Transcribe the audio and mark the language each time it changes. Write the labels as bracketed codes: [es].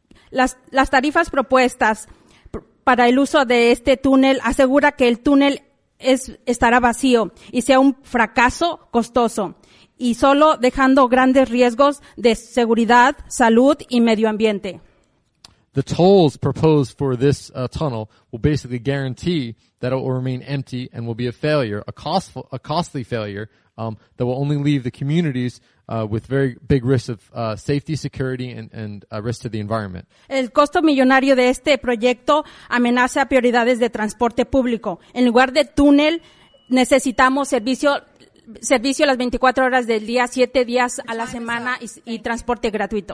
[es] Las tarifas propuestas para el uso de este túnel asegura que el túnel estará vacío y sea un fracaso costoso y solo dejando grandes riesgos de seguridad, salud y medio ambiente. [en] The tolls proposed for this tunnel will basically guarantee that it will remain empty and will be a failure, a costly failure that will only leave the communities with very big risks of safety, security, and risk to the environment. [es] El costo millonario de este proyecto amenaza prioridades de transporte público. En lugar de túnel, necesitamos servicio las 24 horas del día, 7 días a la semana y transporte gratuito.